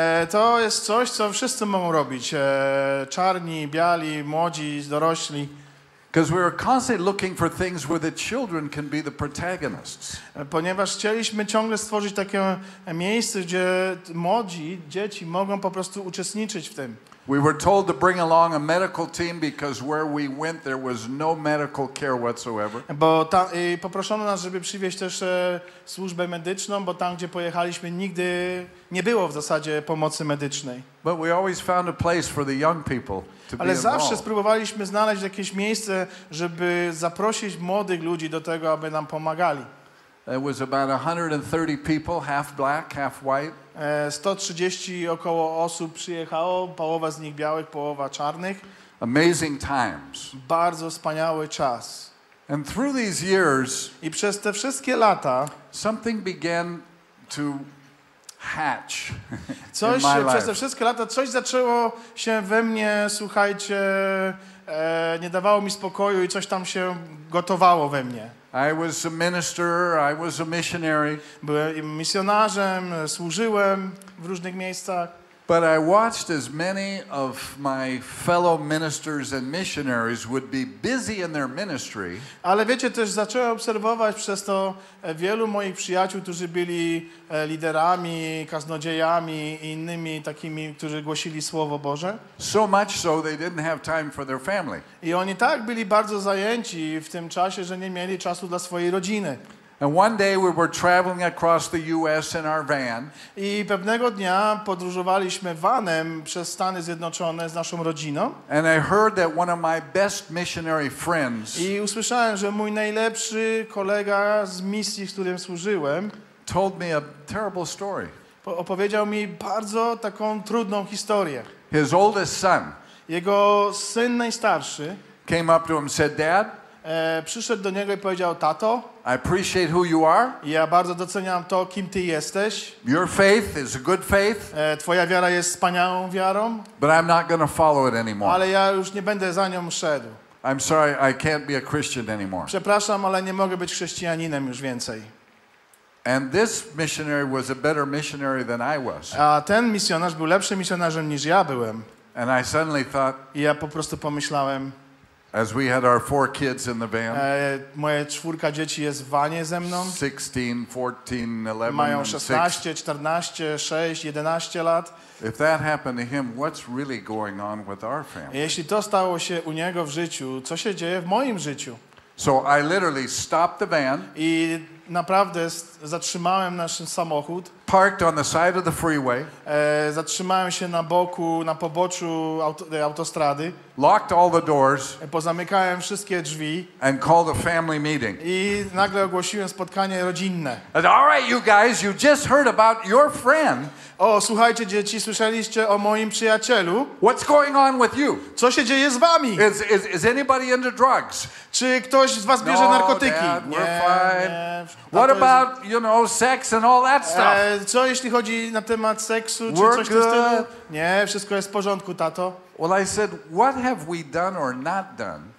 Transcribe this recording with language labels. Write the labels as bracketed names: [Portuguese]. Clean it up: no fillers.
[Polish] To jest coś, co wszyscy mogą robić, czarni, biali, młodzi, dorośli. [English] Because we were constantly looking for things where the children can be the protagonists. [Polish] Ponieważ chcieliśmy ciągle stworzyć takie miejsce, gdzie młodzi dzieci mogą po prostu uczestniczyć w tym. [English] We were told to bring along a medical team because where we went there was no medical care whatsoever. [Polish] Bo tam i poproszono nas, żeby przywieźć też służbę medyczną, bo tam gdzie pojechaliśmy nigdy nie było w zasadzie pomocy medycznej. [English] But we always found a place for the young people to be. [Polish] Ale zawsze spróbowaliśmy znaleźć jakieś miejsce, żeby zaprosić młodych ludzi do tego, aby nam pomagali. [English] It was about 130 people, half black, half white. [Polish] 130 około osób przyjechało, połowa z nich białych, połowa czarnych. [English] Amazing times. [Polish] Bardzo wspaniały czas. [English] And through these years, [Polish] i przez te wszystkie lata, [English] something began to hatch. [Polish] Coś przez te wszystkie lata coś zaczęło się we mnie, słuchajcie, nie dawało mi spokoju i coś tam się gotowało we mnie. [English] I was a minister, I was a missionary. [Polish] Byłem misjonarzem, służyłem w różnych miejscach. [English] But I watched as many of my fellow ministers and missionaries would be busy in their ministry. [Polish] Ale wiecie, też zacząłem obserwować przez to wielu moich przyjaciół, którzy byli liderami, kaznodziejami i innymi takimi, którzy głosili słowo Boże. [English] So much so they didn't have time for their family. [Polish] I oni tak byli bardzo zajęci w tym czasie, że nie mieli czasu dla swojej rodziny. [English] And one day we were traveling across the US in our van. [Polish] I pewnego dnia podróżowaliśmy vanem przez Stany Zjednoczone z naszą rodziną. [English] And I heard that one of my best missionary friends, [Polish] i usłyszałem, że mój najlepszy kolega z misji, w którym służyłem, [English] told me a terrible story. [Polish] Opowiedział mi bardzo taką trudną historię. [English] His oldest son, [Polish] jego syn najstarszy, [English] came up to him and said, "Dad, [Polish] przyszedł do niego i powiedział, tato, [English] I appreciate who you are. [Polish] Ja bardzo doceniam to, kim ty jesteś. [English] Your faith is a good faith. [Polish] Twoja wiara jest wspaniałą wiarą. [English] But I'm not going to follow it anymore. [Polish] Ale ja już nie będę za nią szedł. [English] I'm sorry, I can't be a Christian anymore. [Polish] Przepraszam, ale nie mogę być chrześcijaninem już więcej. [English] And this missionary was a better missionary than I was. [Polish] A ten misjonarz był lepszym misjonarzem niż ja byłem. [English] And I suddenly thought, [Polish] i ja po prostu pomyślałem, [English] as we had our four kids in the van, [Polish] moje czwórka dzieci jest w vanie ze mną. [English] 16, 14, 11, [Polish] mają 16, 14, 6, 11 lat. [English] If that happened to him, what's really going on with our family? [Polish] Jeśli to stało się u niego w życiu, co się dzieje w moim życiu? [English] So I literally stopped the van. [Polish] I naprawdę zatrzymałem nasz samochód. [English] Parked on the side of the freeway. [Polish] Zatrzymałem się na boku, na poboczu autostrady. [English] Locked all the doors. [Polish] Pozamykałem wszystkie drzwi. [English] And called a family meeting. [Polish] I nagle ogłosiłem spotkanie rodzinne. [English] And, all right, you guys, you just heard about your friend. [Polish] O, słuchajcie, dzieci, słyszeliście o moim przyjacielu. [English] What's going on with you? [Polish] Co się dzieje z wami? [English] Is anybody into drugs? [Polish] Czy ktoś z was bierze narkotyki? [English] Dad, we're fine. [Polish] Nie. [English] What about, you know, sex and all that stuff? [Polish] Co jeśli chodzi na temat seksu czy coś w tym stylu? Nie, wszystko jest w porządku, tato. [English] Well, I said, what have we done or not done?